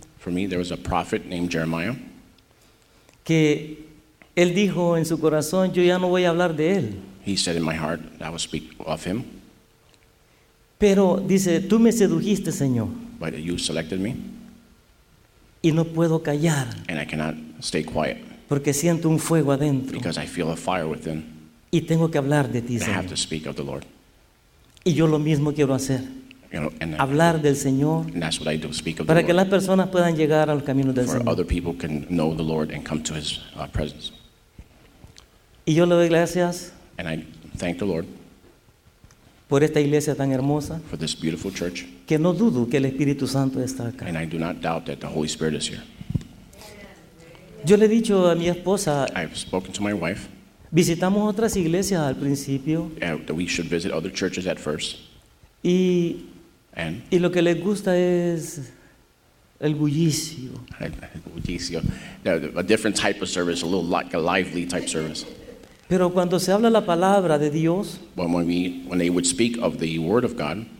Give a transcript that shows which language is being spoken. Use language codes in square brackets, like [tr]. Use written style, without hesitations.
[en] For me, there was a prophet named Jeremiah. [es] Que él dijo en su corazón, yo ya no voy a hablar de él. [en] He said in my heart, I will speak of him. [es] Pero dice, tú me sedujiste, Señor. [en] But you selected me. [es] Y no puedo callar. [en] And I cannot stay quiet. [es] Porque siento un fuego adentro. [en] Because I feel a fire within. [es] Y tengo que hablar de ti, [en] and [es] Señor. [en] I have to speak of the Lord. [es] Y yo lo mismo quiero hacer. [en] You know, and [es] hablar del Señor. [en] And that's what I do, speak of [es] para [en] the Lord. [es] Que las personas puedan llegar al camino del [en] for [es] Señor. [en] For other people can know the Lord and come to his presence. [es] Y yo le doy gracias. [en] And I thank the Lord. [es] Por esta iglesia tan hermosa. [en] For this beautiful church. [es] Que no dudo que el Espíritu Santo está acá. [en] And I do not doubt that the Holy Spirit is here. [es] Yo le he dicho a mi esposa. [en] I've spoken to my wife. [es] Visitamos otras iglesias al principio. [en] That we should visit other churches at first. [es] Y lo que les gusta es el bullicio. [en] Bullicio. A different type of service, a little like a lively type service. [es] Pero cuando se habla la palabra de Dios, [en] when they would speak of the word of God,